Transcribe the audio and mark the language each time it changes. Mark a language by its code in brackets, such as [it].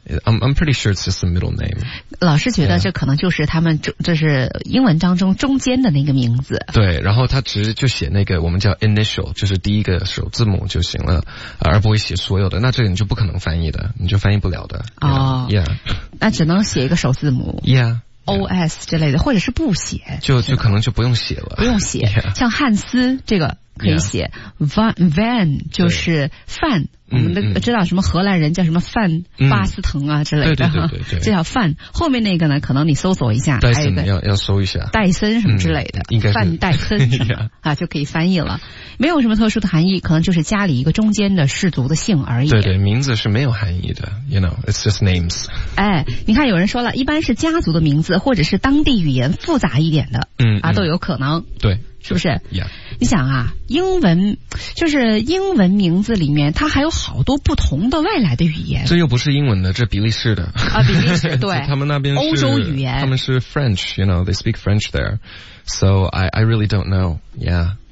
[en] I'm pretty sure it's just a middle name. [zh] 老师觉得这可能就是他们这是英文当中中间的那个名字。对，然后他其实就写那个我们叫 initial, 就是第一个首字母就行了，而不会写所有的。那这个你就不可能翻译的，你就翻译不了的。哦 [en] ，Yeah， [zh] 那只能写一个首字母。 [en] Yeah，OS [zh] 之类的，或者是不写，就可能就不用写了。不用写， [en] yeah. [zh] 像汉斯这个可以写、 [en] yeah. [zh] Van 就是范。我们知道什么荷兰人叫什么范巴斯滕啊之类的，对对对对对，这叫范。后面那个呢，可能你搜索一下，戴森要搜一下，戴森什么之类的，应该是范戴森什么啊，就可以翻译了。没有什么特殊的含义，可能就是家里一个中间的氏族的姓而已。对对，名字是没有含义的 ， [en] you know, it's just names。 [zh] 哎，你看有人说了，一般是家族的名字，或者是当地语言复杂一点的，都有可能。对。是不是、 [en] yeah. [zh] 你想啊，英文就是英文名字里面它还有好多不同的外来的语言，这又不是英文的，这比利时的啊，比利时，对，他们那边是欧洲语言， [en] 他们是 French, you know, they speak French there, so I really don't know, yeah.